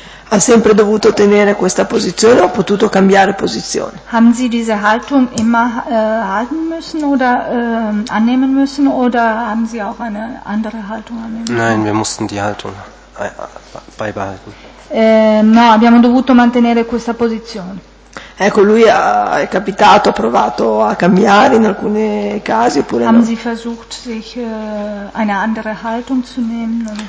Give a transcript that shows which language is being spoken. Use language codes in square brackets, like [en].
[it] Ha sempre dovuto tenere questa posizione o ha potuto cambiare posizione? [de] Haben Sie diese Haltung immer halten müssen oder annehmen müssen oder haben Sie auch eine andere Haltung annehmen müssen? Nein, wir mussten die Haltung beibehalten. [it] No, abbiamo dovuto mantenere questa posizione. Ecco, lui è capitato, ha provato a cambiare in alcuni casi oppure [de] Haben [it] no? [de] Sie versucht sich eine andere Haltung zu nehmen?